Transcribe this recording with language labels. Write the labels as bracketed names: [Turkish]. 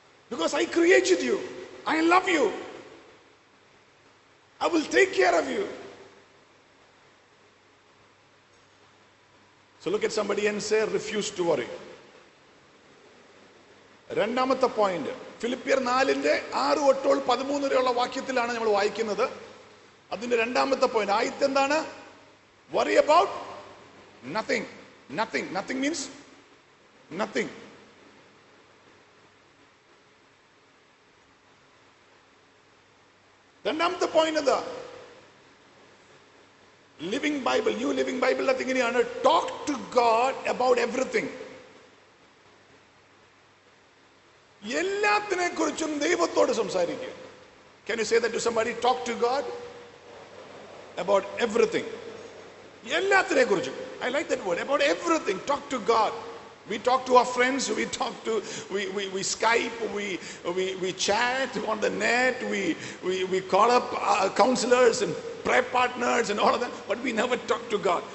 [English] Because I created you, I love you, I will take care of you. So look at somebody and say, refuse to worry. [Malayalam] രണ്ടാമത്തെ point ഫിലിപ്പിയർ 4:6 13 വരെയുള്ള വാക്യത്തിലാണ് നമ്മൾ വായിക്കുന്നത്. അതിന്റെ രണ്ടാമത്തെ point ആദ്യത്തെ എന്താണ്? [English] Worry about nothing. Nothing, nothing means nothing. [Malayalam] രണ്ടാമത്തെ point എന്താ? [English] living Bible, new living Bible [Malayalam] അത് ഇങ്ങനെയാണ്, [English] Talk to God about everything. [Malayalam] എല്ലാത്തിനെ കുറിച്ചും ദൈവത്തോട് സംസാരിക്കുക. [English] Can you say that to somebody? Talk to God about everything. [Malayalam] എല്ലാത്തിനെ കുറിച്ചും. [English] I like that word, about everything. Talk to God. We talk to our friends, we talk to, we Skype, we chat on the net, we call up counselors and prayer partners and all of that, but we never talk to God.